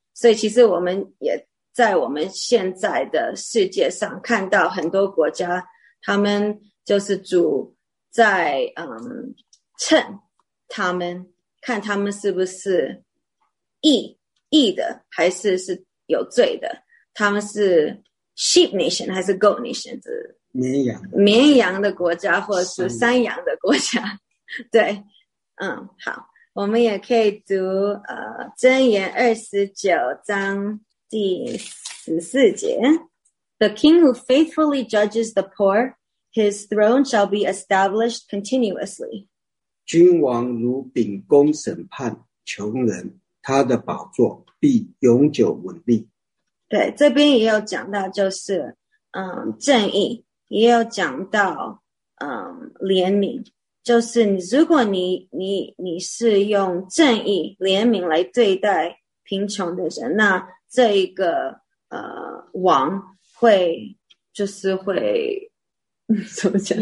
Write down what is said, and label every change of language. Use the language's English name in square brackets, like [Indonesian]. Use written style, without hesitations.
[Chinese] 所以其实我们也在我们现在的世界上看到很多国家，他们就是主在称他们，看他们是不是义的还是有罪的，他们是 [English] sheep nation [Chinese] 还是 [English] goat nation， [Chinese] 是绵羊的国家或是山羊的国家。对，好，我们也可以读箴言29:14， [English] The king who faithfully judges the poor, his throne shall be established continuously. [Chinese] 君王如秉公审判穷人，他的宝座必永久稳立。对，这边也有讲到就是正义，也有讲到怜悯，就是如果你是用正义怜悯来对待贫穷的人，那这一个王会就是会怎么讲，